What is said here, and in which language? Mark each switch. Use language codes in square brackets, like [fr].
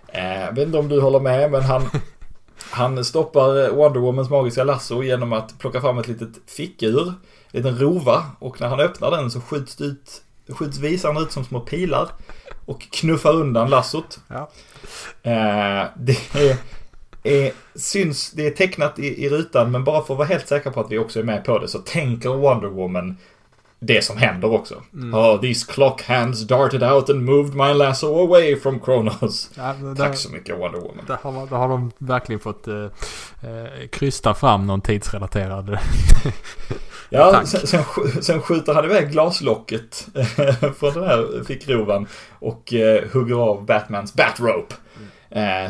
[sv] Jag vet inte om du håller med, men han stoppar Wonder Womans magiska lasso genom att plocka fram ett litet fickur, en liten rova, och när han öppnar den så skjuts det ut. Skjuts visarna ut som små pilar och knuffar undan lassot. Ja. Det är tecknat i rutan, men bara för att vara helt säker på att vi också är med på det, så tänker Wonder Woman det som händer också. Mm. [en] Oh, these clock hands darted out and moved my lasso away from Kronos. [sv] Ja, tack så mycket, Wonder Woman. Det har de verkligen fått krysta fram någon tidsrelaterad. Ja, sen skjuter han iväg glaslocket från den här fickrovan och hugger av Batmans batrope. Mm.